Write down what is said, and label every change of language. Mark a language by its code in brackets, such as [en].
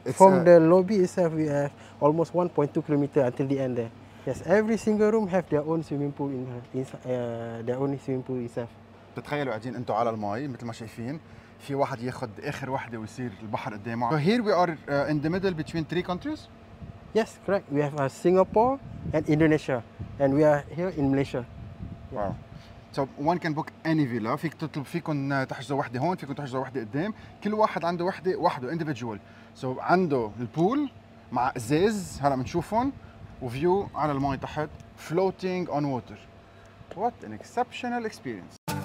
[en] From the lobby itself, we have almost 1.2 kilometers until the end there. Yes, every single room have their own swimming pool in their own swimming pool itself. [ar] تتخيلوا قاعدين انتوا على المي مثل ما شايفين، في واحد ياخد اخر وحده ويصير البحر قدامه. [en] So here we are in the middle between three countries. Yes, correct. We have Singapore and Indonesia, and we are here in Malaysia. Wow. So one can book any villa. [ar] فيك تطلب، فيكن تحجزوا وحدة هون، فيكن تحجزوا وحدة قدام. كل واحد عنده وحدة وحده individual. [en] So [ar] عنده البول مع ازاز، هلا بنشوفهم، وفيو على الماء تحت، [en] floating on water. What an exceptional experience.